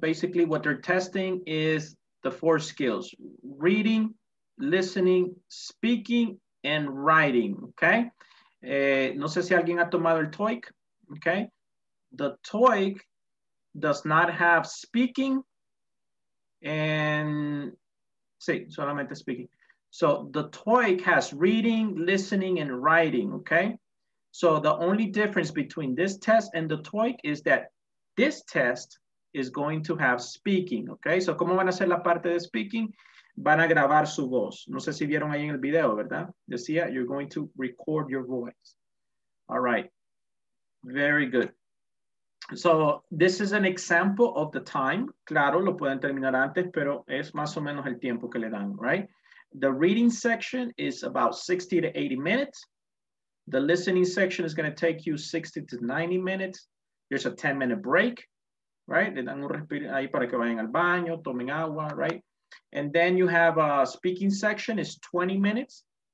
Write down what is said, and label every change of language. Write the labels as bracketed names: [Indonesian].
[English] Basically, what they're testing is the 4 skills: reading, listening, speaking, and writing. Okay. [Spanish] No sé si alguien ha tomado el TOEIC. [English] Okay. The TOEIC does not have speaking and [Spanish] sí, solamente [English] speaking. So the TOEIC has reading, listening, and writing. Okay. So the only difference between this test and the TOEIC is that this test is going to have speaking, okay? [Spanish] So ¿cómo van a hacer la parte de speaking? Van a grabar su voz. No sé si vieron ahí en el video, ¿verdad? Decía, [English] you're going to record your voice. All right, very good. So this is an example of the time. [Spanish] Claro, lo pueden terminar antes, pero es más o menos el tiempo que le dan, right? [English] The reading section is about 60 to 80 minutes. The listening section is going to take you 60 to 90 minutes. There's a 10-minute break, right? [Spanish] Le dan un respiro ahí para que vayan al baño, tomen agua, right? [English] And then you have a speaking section is 20 minutes.